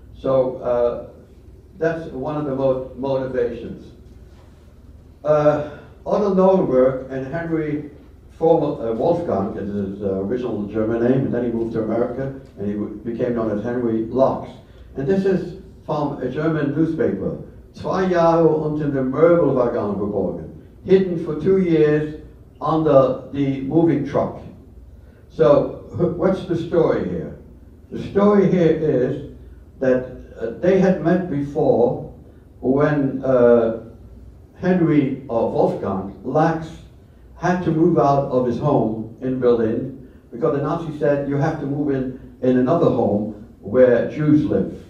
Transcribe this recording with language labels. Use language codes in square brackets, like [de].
[en] So that's one of the motivations. Otto Norenberg and Henry Wolfgang, is his original German name, and then he moved to America, and he became known as Henry Lux. And this is from a German newspaper. [de] Zwei Jahre unter dem Möbelwagen geborgen, [en] hidden for 2 years under the moving truck. So what's the story here? The story here is that they had met before when Henry or Wolfgang Lax had to move out of his home in Berlin because the Nazis said you have to move in another home where Jews live.